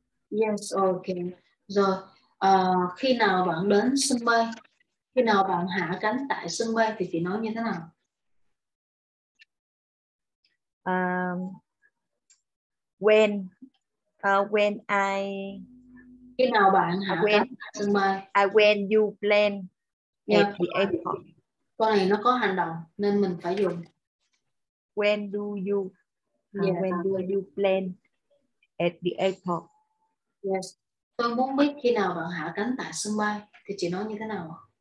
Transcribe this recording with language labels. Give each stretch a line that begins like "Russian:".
Vietnamese: Yes. Okay. Rồi. Khi nào bạn đến sân bay? Khi nào bạn hạ cánh tại sân bay thì chị nói như thế nào?
English: When I
Vietnamese: khi nào bạn hạ cánh tại sân bay?
English: I when you land at the airport.
Vietnamese: Câu này nó có hành động nên mình phải dùng
English: when do you when do you land at the airport? Yes.
Vietnamese: Tôi muốn biết khi nào bạn hạ cánh tại sân bay thì chị nói như thế nào?